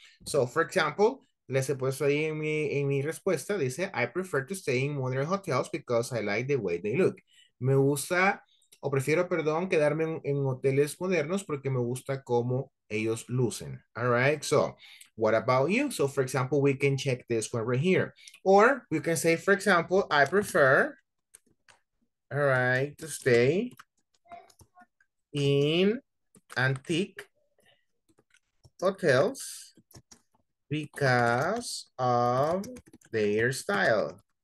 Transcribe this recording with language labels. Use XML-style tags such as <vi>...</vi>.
<en>So for example,</en> <es>les he puesto ahí en mi respuesta.</es> <en>Dice, I prefer to stay in modern hotels because I like the way they look.</en> <es>Me gusta o prefiero, perdón, quedarme en hoteles modernos porque me gusta cómo ellos lucen.</es> <en>All right, so what about you? So for example, we can check this one right here. Or we can say, for example, I prefer, all right, to stay in antique hotels because of their style.</en>